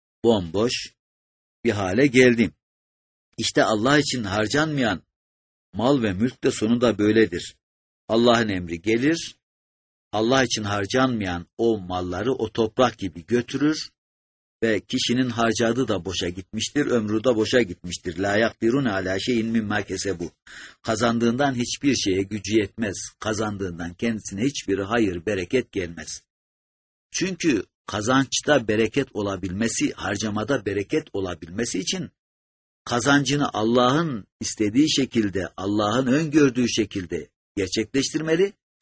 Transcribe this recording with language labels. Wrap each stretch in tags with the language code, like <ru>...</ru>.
<tr>Bomboş bir hale geldim. İşte Allah için harcanmayan mal ve mülk de sonunda böyledir. Allah'ın emri gelir, Allah için harcanmayan o malları o toprak gibi götürür ve kişinin harcadığı da boşa gitmiştir, ömrü de boşa gitmiştir.</tr> <ar>لَا يَقْدِرُونَ عَلَى شَيْءٍ مِمَّا كَسَبُوا</ar> <tr>Kazandığından hiçbir şeye gücü yetmez. Kazandığından kendisine hiçbir hayır, bereket gelmez. Çünkü kazançta bereket olabilmesi, harcamada bereket olabilmesi için kazancını Allah'ın istediği şekilde, Allah'ın öngördüğü şekilde gerçekleştirmeli.</tr>